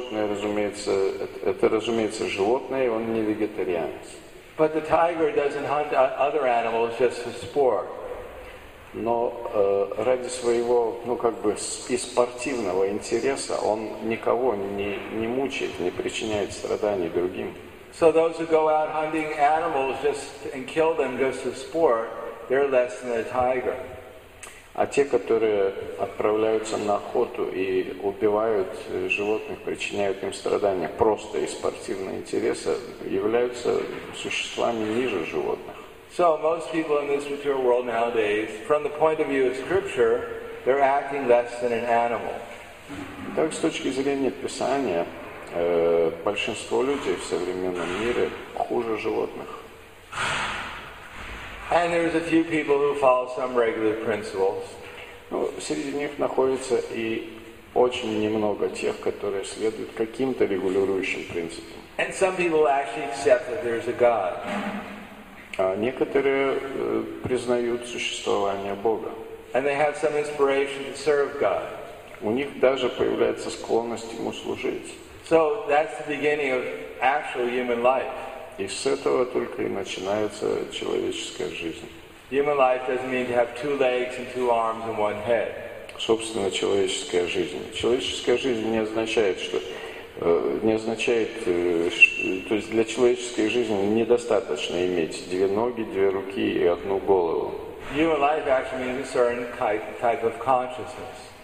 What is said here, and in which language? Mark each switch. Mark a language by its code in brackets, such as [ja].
[ru] Это животное, разумеется, животное, и он не вегетарианец. [en] But the tiger doesn't hunt other animals just for sport. [ru] Но ради своего, ну как бы, и спортивного интереса он никого не мучает, не причиняет страданий другим. [en] So those who go out hunting animals just and kill them just for sport, they're less than a tiger. [ru] А те, которые отправляются на охоту и убивают животных, причиняют им страдания просто из спортивного интереса, являются существами ниже животных. [en] So most people in this material world nowadays, from the point of view of scripture, they're acting less than an animal. [ru] Так, с точки зрения Писания, большинство людей в современном мире хуже животных. [en] And there's a few people who follow some regular principles. [ru] Ну, среди них находится и очень немного тех, которые следуют каким-то регулирующим принципам. [en] And some people actually accept that there's a God. [ru] А некоторые признают существование Бога. [en] And they have some inspiration to serve God. [ru] У них даже появляется склонность ему служить. [en] So that's the beginning of actual human life. [ru] И с этого только и начинается человеческая жизнь. [en] Human life doesn't mean to have two legs and two arms and one head. [ru] Собственно, человеческая жизнь. Человеческая жизнь не означает, что не означает, то есть для человеческой жизни недостаточно иметь две ноги, две руки и одну голову. [en] Human life actually means a certain type of consciousness.